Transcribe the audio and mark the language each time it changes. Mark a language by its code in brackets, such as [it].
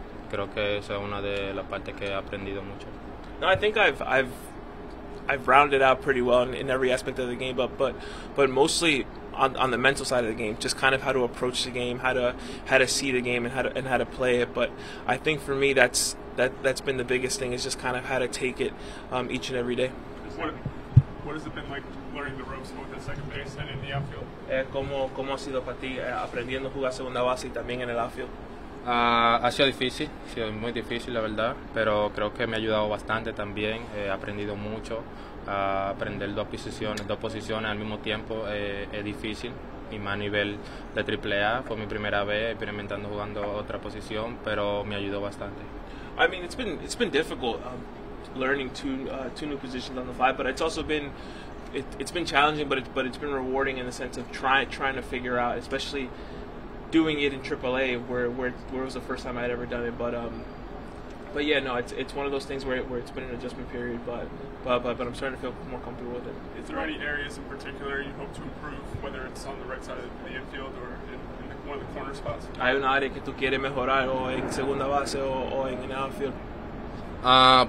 [es] Creo que esa es una de las partes que he aprendido mucho. [en] No, I think I've rounded out pretty well in every aspect of the game, but mostly on the mental side of the game, just kind of how to approach the game, how to see the game, and how to play it. But I think for me, that's been the biggest thing, is just kind of how to take it each and every day. What has it been like learning the ropes both at second base and in the outfield? [es] ¿Cómo ha sido para ti aprendiendo a jugar segunda base y también en el outfield? Ha sido difícil, ha sido muy difícil la verdad, pero creo que me ha ayudado bastante también. He aprendido mucho, aprender dos posiciones al mismo tiempo es difícil, y más a nivel de AAA. Fue mi primera vez experimentando jugando otra posición, pero me ayudó bastante. [en] I mean, it's been difficult learning two new positions on the fly, but it's also been it's been challenging, but it's been rewarding in the sense of trying to figure out, especially doing it in AAA, where it was the first time I'd ever done it. But yeah, no, it's one of those things where it's been an adjustment period, but I'm starting to feel more comfortable with it. Is there any areas in particular you hope to improve, whether it's on the right side of the infield or in one of the corner spots? [es] Hay una área que tú quieres mejorar, o en segunda base o en el outfield.